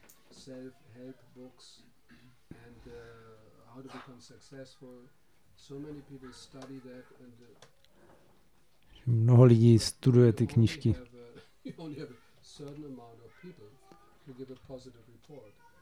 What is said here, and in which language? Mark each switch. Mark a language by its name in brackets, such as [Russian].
[English] Self-help books and how to become successful. So many people study that. And [Czech] mnoho lidí studuje ty knížky. [English] You only have a certain amount of people who give a positive report.